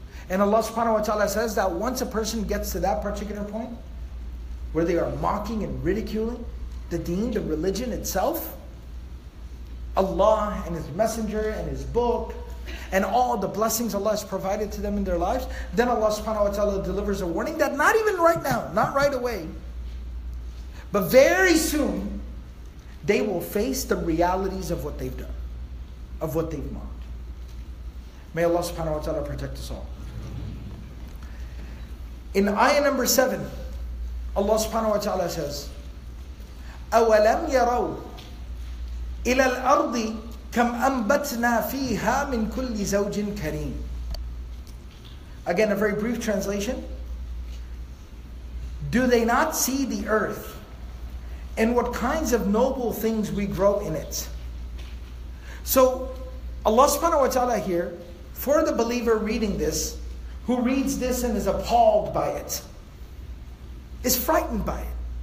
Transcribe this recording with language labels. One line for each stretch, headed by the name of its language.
English: And Allah subhanahu wa ta'ala says that once a person gets to that particular point where they are mocking and ridiculing the deen, the religion itself, Allah and His Messenger and His Book and all the blessings Allah has provided to them in their lives, then Allah subhanahu wa ta'ala delivers a warning that not even right now, not right away, but very soon they will face the realities of what they've done, of what they've mocked. May Allah subhanahu wa ta'ala protect us all. In ayah number 7, Allah subhanahu wa ta'ala says,
Arabic: أَوَلَمْ يَرَوْا إِلَى الْأَرْضِ كَمْ أَنْبَتْنَا فِيهَا مِنْ كُلِّ زَوْجٍ كَرِيمٍ.
English: Again, a very brief translation. Do they not see the earth and what kinds of noble things we grow in it? So Allah subhanahu wa ta'ala here, for the believer reading this, who reads this and is appalled by it, is frightened by it.